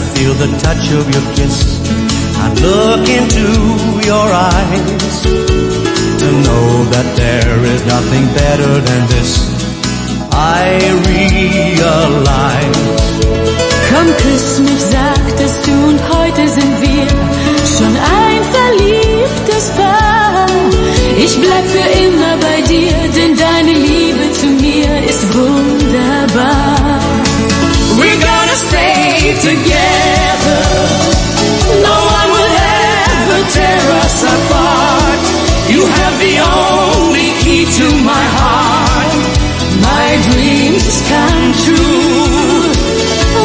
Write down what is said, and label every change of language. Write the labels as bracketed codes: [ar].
[en] The touch of your kiss and look into your eyes to know that there is nothing better than this. I realize. [de] Komm, küss mich, sagtest du, und heute sind wir schon ein verliebtes Paar. Ich bleib für immer bei dir, denn deine Liebe zu mir ist wunderbar. [en] We're gonna stay together. No one will ever tear us apart. You have the only key to my heart. My dreams come true.